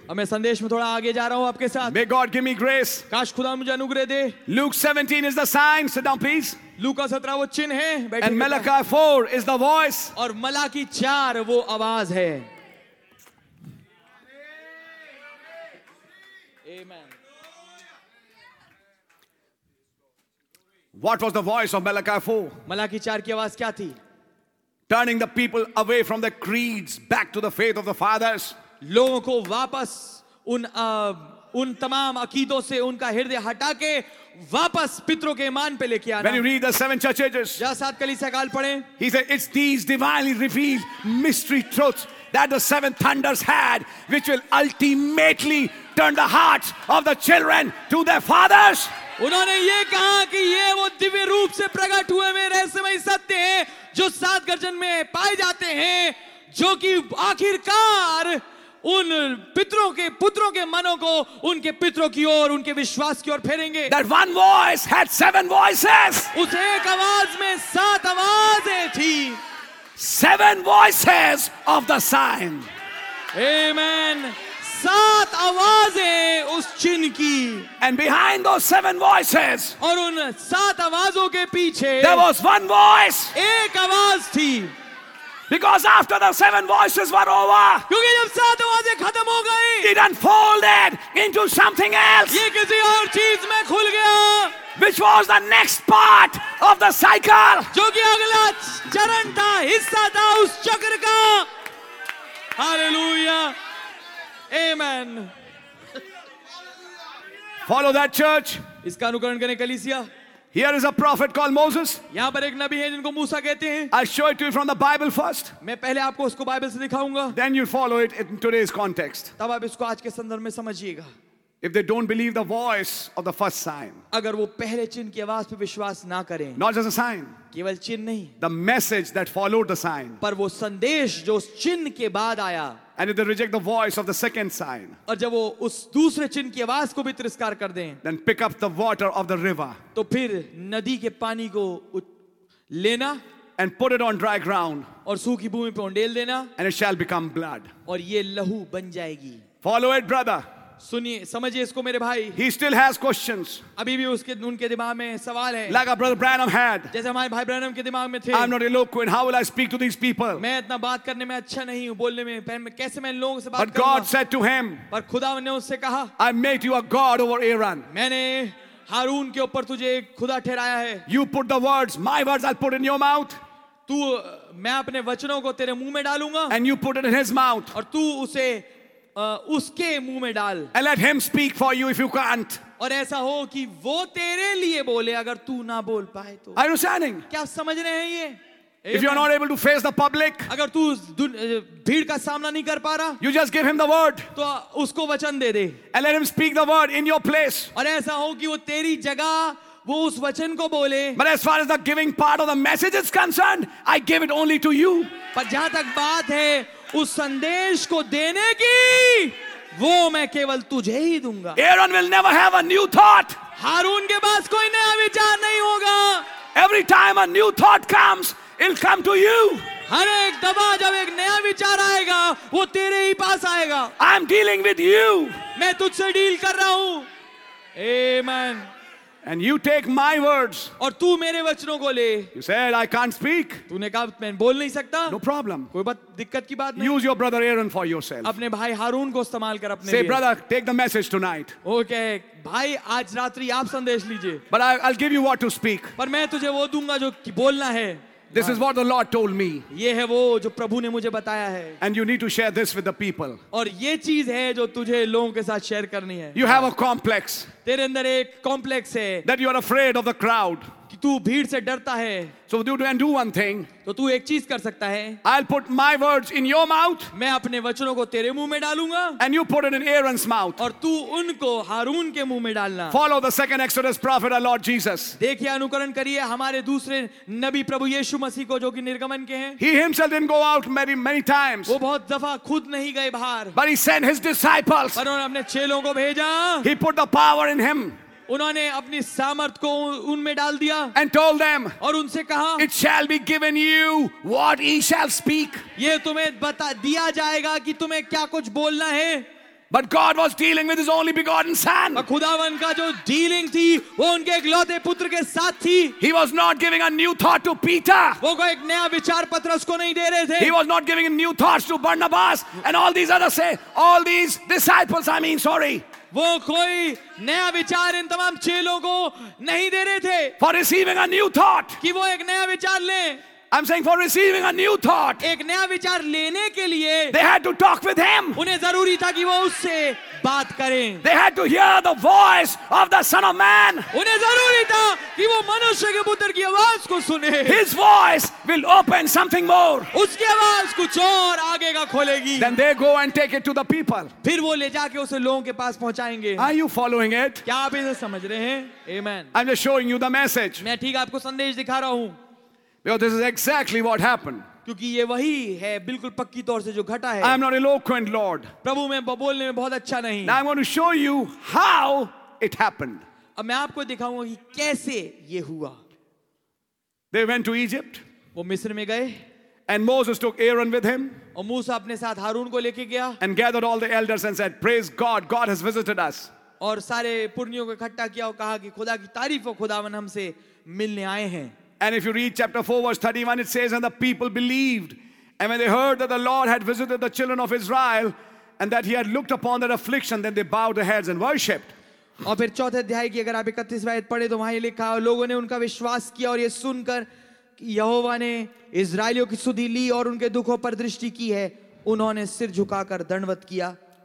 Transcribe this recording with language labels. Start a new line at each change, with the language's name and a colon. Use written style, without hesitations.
Hindi: अब मैं संदेश में थोड़ा आगे जा रहा हूँ आपके साथ.
English: May God give me grace.
Hindi: काश खुदा मुझे अनुग्रह दे.
English: Luke 17 is the sign. Sit down, please.
Hindi: लूका 17 वो चिन्ह है.
English: And Malachi 4 is the voice.
Hindi: और मलाकी 4 वो आवाज है.
English: Amen. What was the voice of Malachi 4?
Hindi: Malachi 4 की आवाज क्या थी?
English: Turning the people away from the creeds back to the faith of the fathers.
Hindi: लोगों को वापस उन तमाम अकीदों से उनका हृदय हटा के वापस पितरों के ईमान पे लेके आना.
English: When you read the seven church ages,
Hindi: जा सात कलीसिया काल पढ़ें.
English: He said, "It's these divinely revealed mystery truths that the seven thunders had, which will ultimately turn the hearts of the children to their fathers."
Hindi: उन्होंने ये कहा कि ये वो दिव्य रूप से प्रकट हुए में रहस्यमय सत्य है जो सात गर्जन में पाए जाते हैं जो कि आखिरकार उन पितरों के पुत्रों के मनों को उनके पितरों की ओर उनके विश्वास की ओर फेरेंगे
English: That one voice had seven voices.
Hindi: उस एक आवाज में सात आवाजें थी
English: Seven voices of the sign.
Hindi: Amen. सात आवाजें उस चिन्ह की
English: and behind those seven voices
Hindi: और उन सात आवाजों के पीछे
English: there was one voice
Hindi: एक आवाज थी
English: because after the seven voices were over
Hindi: क्योंकि जब सात आवाजें खत्म हो गई
English: it unfolded into something else
Hindi: ये किसी और चीज में खुल गया
English: Which was the next part of the cycle?
Hindi: जो कि अगला चरण था हिस्सा था उस चक्र का Hallelujah.
English: Amen. Follow that church.
Hindi: Iska anukaran kare kalisiya.
English: Here is a prophet called Moses.
Hindi: Yahan par ek nabi hai jinko Musa kehte hain.
English: I'll show it to you from the Bible first.
Hindi: Main pehle aapko usko Bible se dikhaunga.
English: Then you follow it in today's context.
Hindi: Tab aap isko aaj ke sandarbh mein samjhiyega.
English: If they don't believe the voice of the first sign,
Hindi: agar wo pehle chinh ki awaaz pe vishwas na karein,
English: not just a sign,
Hindi: keval chinh nahi,
English: the message that followed the sign,
Hindi: par wo sandesh jo us chinh ke baad aaya,
English: and if they reject the voice of the second sign,
Hindi: aur jab wo us dusre chinh ki awaaz ko bhi tiraskar kar dein,
English: then pick up the water of the river,
Hindi: to phir nadi ke pani ko lena,
English: and put it on dry ground,
Hindi: aur sukhi bhoomi pe undel dena,
English: and it shall become blood,
Hindi: aur ye lahu ban jayegi.
English: Follow it, brother.
Hindi: सुनिए समझिए इसको मेरे भाई.
English: He still has questions.
Hindi: अभी भी उसके उनके दिमाग में सवाल है.
English: Like our brother Branham had.
Hindi: जैसे हमारे भाई ब्रैनम के दिमाग में थे.
English: I'm not eloquent. How will I speak to these people?
Hindi: मैं इतना बात करने में अच्छा नहीं हूँ बोलने में. पर कैसे मैं लोगों से बात करूँ?
English: But God said to him.
Hindi: पर खुदा ने उससे कहा.
English: I made you a God over Aaron.
Hindi: मैंने हारून के ऊपर तुझे एक खुदा ठहराया है.
English: You put the words. My words I'll put in your mouth.
Hindi: तू मैं अपने वचनों को तेरे मुंह में डालूंगा.
English: And you put it in his mouth.
Hindi: और तू उसे उसके मुंह में डाल.
English: And let him speak for you if you can't.
Hindi: और ऐसा हो कि वो तेरे लिए बोले अगर तू ना बोल पाए तो.
English: Are you understanding?
Hindi: क्या समझ रहे हैं ये?
English: If you are not able to face the public,
Hindi: अगर तू भीड़ का सामना नहीं कर पा रहा,
English: you just give him the word.
Hindi: तो उसको वचन दे दे.
English: And let him speak the word in your place.
Hindi: और ऐसा हो कि वो तेरी जगह वो उस वचन को बोले.
English: But as far as the giving part of the message is concerned, I give it only to you.
Hindi: पर जहां तक बात है उस संदेश को देने की, वो मैं केवल तुझे ही दूंगा.
English: Aaron will never have a new thought.
Hindi: हारून के पास कोई नया विचार नहीं होगा.
English: Every time a new thought comes, it'll come to you.
Hindi: हर एक दफा जब एक नया विचार आएगा वो तेरे ही पास आएगा.
English: I'm dealing with you.
Hindi: मैं तुझसे डील कर रहा हूं. Amen.
English: And you take my words.
Hindi: और तू मेरे वचनों को ले.
English: You said I can't speak.
Hindi: तूने कहा मैं बोल नहीं सकता.
English: No problem.
Hindi: कोई बात दिक्कत की बात नहीं.
English: Use your brother Aaron for yourself.
Hindi: अपने भाई हारून को इस्तेमाल कर अपने.
English: Say brother, take the message tonight.
Hindi: Okay, भाई आज रात्रि आप संदेश लीजिए.
English: But I'll give you what to speak.
Hindi: पर मैं तुझे वो दूंगा जो बोलना है.
English: This is what the Lord told me.
Hindi: ये है वो जो प्रभु ने मुझे बताया है.
English: And you need to share this with the people.
Hindi: और ये चीज़ है जो तुझे लोगों के साथ शेयर करनी है.
English: You have a complex.
Hindi: तेरे अंदर एक कॉम्प्लेक्स है.
English: That you are afraid of the crowd.
Hindi: कि तू भीड़ से डरता है.
English: So you can do one thing.
Hindi: तो तू एक चीज़ कर सकता है.
English: I'll put my words in your mouth.
Hindi: मैं अपने वचनों को तेरे मुंह में डालूँगा.
English: And you put it in Aaron's mouth.
Hindi: और तू उनको हारून के मुंह में डालना.
English: Follow the second Exodus prophet, our Lord Jesus.
Hindi: देखिए अनुकरण करिए हमारे दूसरे नबी प्रभु यीशु मसीह को जो कि निर्गमन के हैं.
English: He himself didn't go out many many times.
Hindi: वो बहुत दफा खुद नहीं गए बाहर.
English: But he sent his disciples.
Hindi: पर उन्होंने अपने चेलों को भेजा.
English: He put the power in him.
Hindi: उन्होंने अपनी सामर्थ को उनमें डाल दिया.
English: And told them,
Hindi: और उनसे कहा,
English: It shall be given you what he shall speak.
Hindi: ये तुम्हें बता दिया जाएगा कि तुम्हें क्या कुछ बोलना है.
English: But God was dealing with his only begotten son.
Hindi: और खुदावन का जो डीलिंग थी वो उनके इकलौते पुत्र के साथ थी.
English: He was not giving a new thought to Peter.
Hindi: वो को एक नया विचार पत्रस को नहीं दे रहे थे.
English: He was not giving a new thought to Barnabas and all these others, all these disciples, I mean, sorry.
Hindi: वो कोई नया विचार इन तमाम चेलों को नहीं दे रहे थे.
English: For receiving a new thought.
Hindi: कि वो एक नया विचार लें.
English: I'm saying for receiving a new thought.
Hindi: एक नया विचार लेने के लिए.
English: They had to talk with him.
Hindi: उन्हें जरूरी था कि वो उससे बात करें.
English: They had to hear the voice of the Son of Man.
Hindi: उन्हें जरूरी था कि वो मनुष्य के पुत्र की आवाज को सुने.
English: His voice will open something more.
Hindi: उसकी आवाज कुछ और आगे का खोलेगी.
English: Then they go and take it to the people.
Hindi: फिर वो ले जाके उसे लोगों के पास पहुंचाएंगे.
English: Are you following it?
Hindi: क्या आप इसे समझ रहे हैं? Amen.
English: I'm just showing you the message.
Hindi: मैं ठीक आपको संदेश दिखा रहा हूँ.
English: Because this is exactly what happened.
Hindi: क्योंकि ये वही है बिल्कुल पक्की तौर से जो घटा है.
English: I am not eloquent, Lord.
Hindi: प्रभु मैं बोलने में बहुत अच्छा नहीं.
English: Now I want to show you how it happened.
Hindi: अब मैं आपको दिखाऊंगा कि कैसे ये हुआ.
English: They went to Egypt.
Hindi: वो मिस्र में गए.
English: And Moses took Aaron with him.
Hindi: और मूसा अपने साथ हारून को लेके गया.
English: And gathered all the elders and said, "Praise God! God has visited us."
Hindi: और सारे पुरनियों को इकट्ठा किया और कहा कि खुदा की तारीफ हो, खुदावन हमसे मिलने आए हैं.
English: And if you read chapter 4 verse 31, it says, And the people believed. And when they heard that the Lord had visited the children of Israel, and that he had looked upon their affliction, then they bowed their heads and worshipped. And then
Hindi: 4th अध्याय की अगर आप 31 वायद पढ़े तो वहाँ ये लिखा है, लोगों ने उनका विश्वास किया और ये सुनकर यहोवा ने इज़राइलियों की सुधि ली और उनके दुखों पर दृष्टि की है, उन्होंने सिर झुकाकर दंडवत किया.